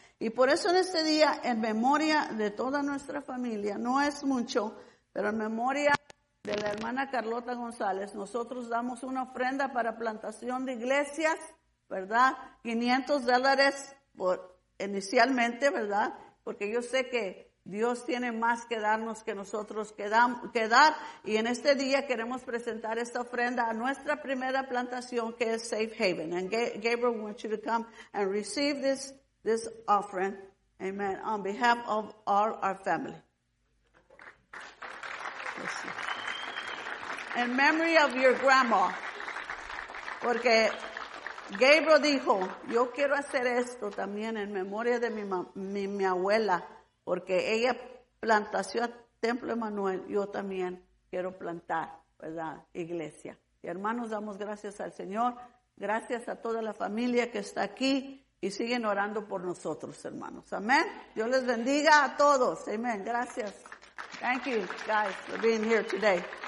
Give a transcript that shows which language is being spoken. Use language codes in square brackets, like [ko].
[es] Y por eso en este día, en memoria de toda nuestra familia, no es mucho, pero en memoria de la hermana Carlota González, nosotros damos una ofrenda para plantación de iglesias, ¿verdad? $500 inicialmente, ¿verdad? Porque yo sé que Dios tiene más que darnos que nosotros que dar. Y en este día queremos presentar esta ofrenda a nuestra primera plantación, que es Safe Haven. [en] And Gabriel, we want you to come and receive this offering, amen, on behalf of all our family. In memory of your grandma. [es] Porque Gabriel dijo, yo quiero hacer esto también en memoria de mi abuela, porque ella plantó a Templo Emanuel, yo también quiero plantar, ¿verdad?, iglesia. Y hermanos, damos gracias al Señor, gracias a toda la familia que está aquí y siguen orando por nosotros, hermanos. Amén. Dios les bendiga a todos. Amén. Gracias. [en] Thank you, guys, for being here today.